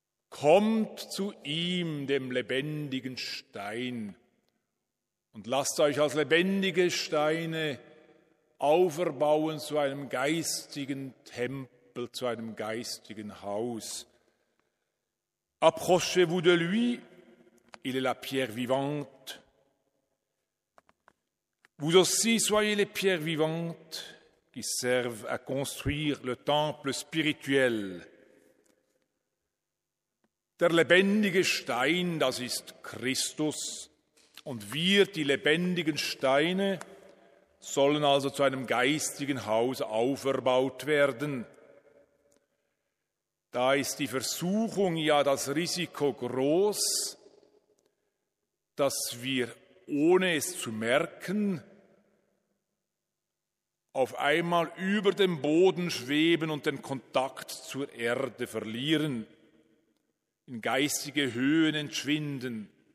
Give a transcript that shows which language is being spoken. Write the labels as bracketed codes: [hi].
[de] kommt zu ihm, dem lebendigen Stein, und lasst euch als lebendige Steine auferbauen zu einem geistigen Tempel, zu einem geistigen Haus. [fr] Approchez-vous de lui, il est la pierre vivante. Vous aussi soyez les pierres vivantes qui servent à construire le temple spirituel. [de] Der lebendige Stein, das ist Christus, und wir, die lebendigen Steine, sollen also zu einem geistigen Haus auferbaut werden. Da ist die Versuchung, ja das Risiko groß, dass wir, ohne es zu merken, auf einmal über dem Boden schweben und den Kontakt zur Erde verlieren, in geistige Höhen entschwinden.